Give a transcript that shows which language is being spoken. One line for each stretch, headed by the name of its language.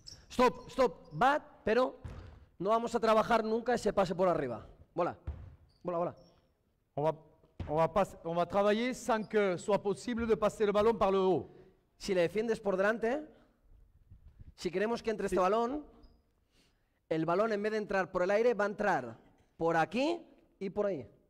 Spanish: Stop, stop, bat, pero no vamos a trabajar nunca ese pase por arriba.
French: Voilà, voilà, voilà. On va travailler sans que soit possible de passer le ballon par le haut.
Spanish: Si le defiendes por delante, si queremos que entre sí. Este balón, el balón en vez de entrar por el aire va a entrar por aquí y por ahí.